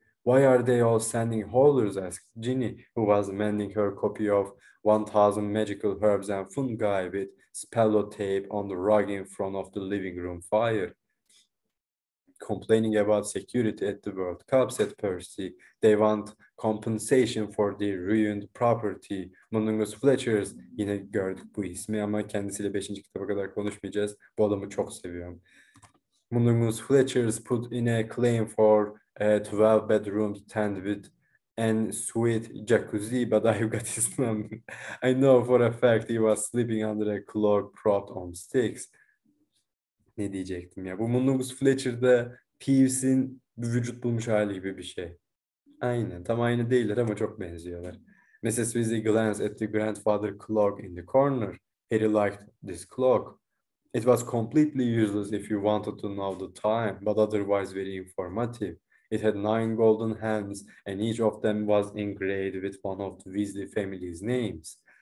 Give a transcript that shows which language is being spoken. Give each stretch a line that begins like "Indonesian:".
English: Why are they all sending howlers? Asked Ginny, who was mending her copy of 1,000 Magical Herbs and Fungi with spello tape on the rug in front of the living room fire. Complaining about security at the World Cup, said Percy. They want compensation for the ruined property.
Turkish: Mundungus Fletcher's, yine gördük bu ismi ama kendisiyle 5. kitaba kadar konuşmayacağız. Bu adamı çok seviyorum.
English: Mundungus Fletcher's put in a claim for a 12-bedroom tent with an suite jacuzzi, but I've got his number. I know for a fact he was sleeping under a cloak propped on sticks.
Turkish: Ne diyecektim ya? Bu Mundungus Fletcher'da Peeves'in vücut bulmuş hali gibi bir şey. Aynen. Tam aynı değiller ama çok benziyorlar. Mrs.
English: Weasley glanced at the grandfather clock in the corner. Harry liked this clock. It was completely useless if you wanted to know the time, but otherwise very informative. It had 9 golden hands, and each of them was engraved with one of the Weasley family's names.